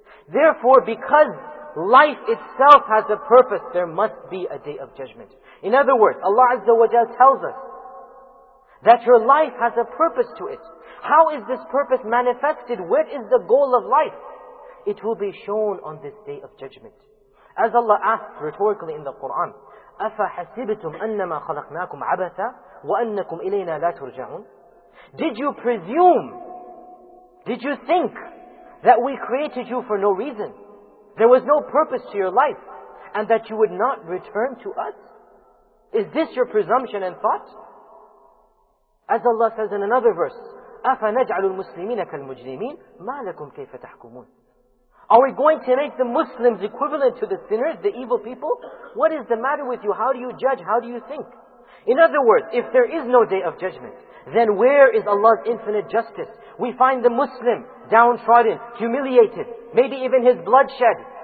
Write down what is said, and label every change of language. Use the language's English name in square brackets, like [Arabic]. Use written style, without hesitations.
[English] Therefore, because life itself has a purpose, there must be a day of judgment. In other words, Allah Azza wa Jal tells us that your life has a purpose to it. How is this purpose manifested? What is the goal of life? It will be shown on this day of judgment. As Allah asks rhetorically in the Quran, [Arabic] أَفَحَسِبْتُمْ أَنَّمَا خَلَقْنَاكُمْ عَبَثًا وَأَنَّكُمْ إِلَيْنَا لَا تُرْجَعُونَ. [English] Did you presume? Did you think that we created you for no reason? There was no purpose to your life, and that you would not return to us? Is this your presumption and thought? As Allah says in another verse, [Arabic] أَفَنَجْعَلُ الْمُسْلِمِينَ كَالْمُجْرِمِينَ مَا لَكُمْ كَيْفَ تَحْكُمُونَ. [English] Are we going to make the Muslims equivalent to the sinners, the evil people? What is the matter with you? How do you judge? How do you think? In other words, if there is no day of judgment, then where is Allah's infinite justice? We find the Muslim downtrodden, humiliated, maybe even his bloodshed.